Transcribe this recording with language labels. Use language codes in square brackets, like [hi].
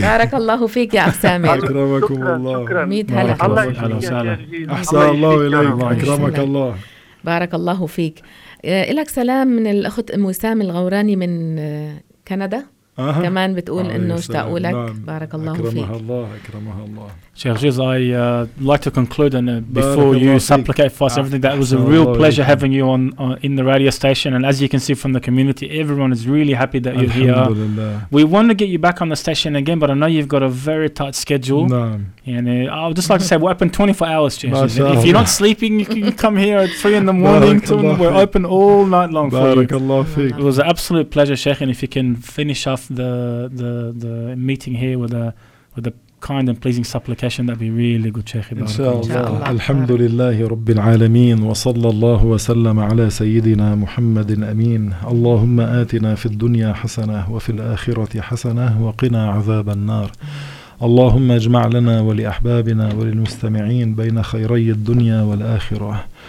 [ar] بارك الله فيك يا سامي. اكرمكم الله. ميت هلا اهلا وسهلا. احسن الله اليك. اكرمك الله. بارك الله فيك. لك سلام من الاخت ام وسام الغوراني من كندا. كمان بتقول انه اشتاقوا لك. بارك الله فيك. اكرمها الله. اكرمها الله. [en] Sheikh Jiz, I'd like to conclude and before you supplicate for us everything, that was a real pleasure having you on in the radio station. And as you can see from the community, everyone is really happy that you're here. We want to get you back on the station again, but I know you've got a very tight schedule. And I would just like to say, we're open 24 hours, Sheikh Jiz. If you're not sleeping, you can come here at 3 in the morning. We're open all night long for you. It was an absolute pleasure, Sheikh. And if you can finish off the meeting here with a kind and pleasing supplication, that'd be really good, Sheikh. [ar] إن شاء الله. الحمد لله رب العالمين وصلى الله وسلم على سيدنا محمد أمين. اللهم آتنا في الدنيا حسنة وفي الآخرة حسنة وقنا عذاب النار. اللهم اجمع لنا ولأحبابنا وللمستمعين بين خيري الدنيا والآخرة.